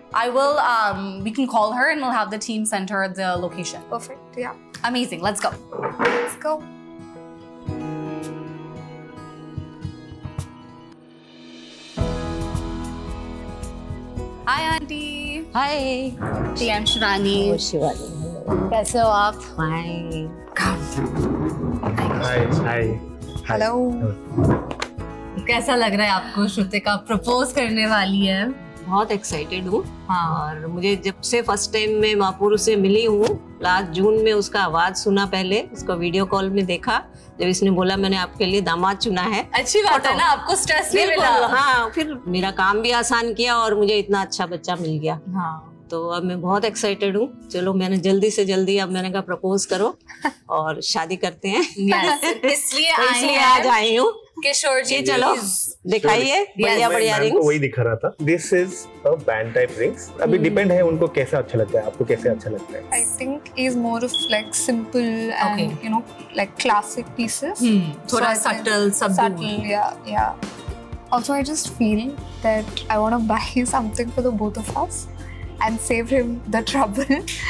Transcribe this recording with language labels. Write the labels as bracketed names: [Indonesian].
[English] I will, we can call her and we'll have the team send her the location. Perfect, yeah. Amazing, let's go. Let's go. Hi, auntie. Hi. Hey, I'm Shivani. Oh, Shivani. [Hindi] कैसे हो आप? [English] Hi. Come. Hi. Hello. [Hindi] कैसा लग रहा है आपको Shrutika propose करने वाली है? बहुत एक्साइटेड हूँ. हाँ. और मुझे जब से फर्स्ट टाइम मैं महापुर से मिली हूँ, लास्ट जून में उसका आवाज सुना पहले, उसको वीडियो कॉल में देखा, जब इसने बोला मैंने आपके लिए दामाद चुना है. अच्छी बात है ना, आपको स्ट्रेस नहीं मिला. हाँ, फिर मेरा काम भी आसान किया और मुझे इतना अच्छा बच्चा मिल गया. हाँ. तो अब मैं बहुत एक्साइटेड हूँ. चलो, मैंने जल्दी से जल्दी अब मैंने कहा प्रपोज करो और शादी करते हैं. इसलिए आज आई हूँ. किशोर जी, चलो दिखाइए बढ़िया बढ़िया रिंग्स. वही दिखा रहा था. [English] This is a band type rings. [Hindi] अभी डिपेंड है उनको कैसे अच्छा लगता है, आपको कैसे अच्छा लगता है. [English] I think is more of like simple and you know like classic pieces, [Hindi] थोड़ा सटल. या [English] Also, I just feel that I want to buy something for the both of us and save him the trouble.